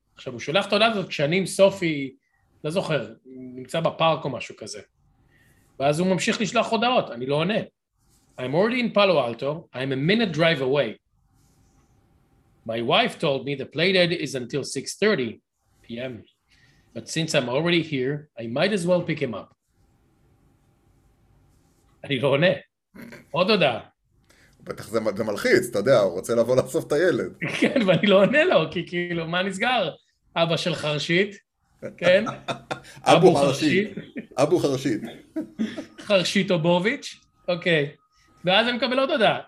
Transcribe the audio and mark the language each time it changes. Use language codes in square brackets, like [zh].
[he] עכשיו, הוא שולח את הודעה הזאת כשאני עם סופי, לא זוכר, נמצא בפארק או משהו כזה. ואז הוא ממשיך לשלוח הודעות, אני לא עונה. [en] I'm already in Palo Alto, I'm a minute drive away. My wife told me the playdate is until 6:30 p.m. But since I'm already here, I might as well pick him up. [he] אני לא עונה. עוד הודעה. בטח זה מלחיץ, אתה יודע, הוא רוצה לבוא לאסוף את הילד. כן, ואני לא עונה לו, כי כאילו, מה נסגר? אבא של חרשית, כן? אבו חרשית. אבו חרשית. חרשית אובוביץ', אוקיי. ואז אני מקבל עוד הודעה.